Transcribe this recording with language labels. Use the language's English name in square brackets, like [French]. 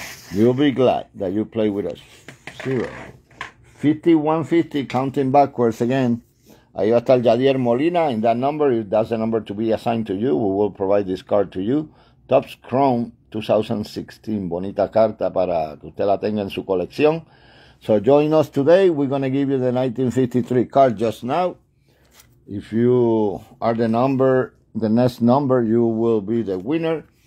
[English] You'll be glad that you play with us. 0. 5,150, counting backwards again. [Spanish] Ahí va a estar [English] Yadier Molina. In that number, if that's the number to be assigned to you, we will provide this card to you. Tops Chrome, [Spanish] 2016 bonita carta para que usted la tenga en su colección. [English] So join us today. We're going to give you the 1953 card just now. If you are the number, the next number, you will be the winner.